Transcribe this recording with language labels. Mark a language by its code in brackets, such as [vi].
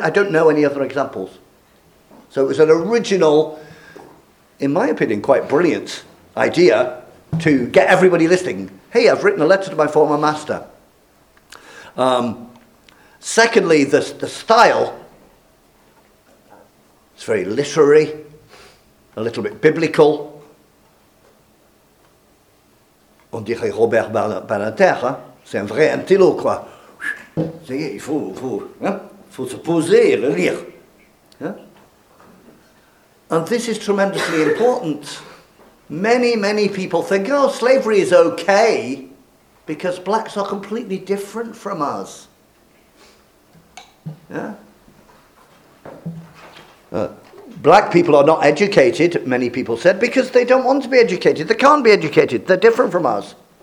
[en] I don't know any other examples. So it was an original, in my opinion, quite brilliant idea to get everybody listening. Hey, I've written a letter to my former master. Secondly, the style. It's very literary, a little bit biblical. [fr] On dirait Robert Ballinter, hein? C'est un vrai intello, quoi. C'est, il faut se poser et le lire. [en] Yeah? And this is tremendously important. Many, many people think, oh, slavery is okay because blacks are completely different from us. Yeah? Black people are not educated, many people said, because they don't want to be educated. They can't be educated. They're different from us.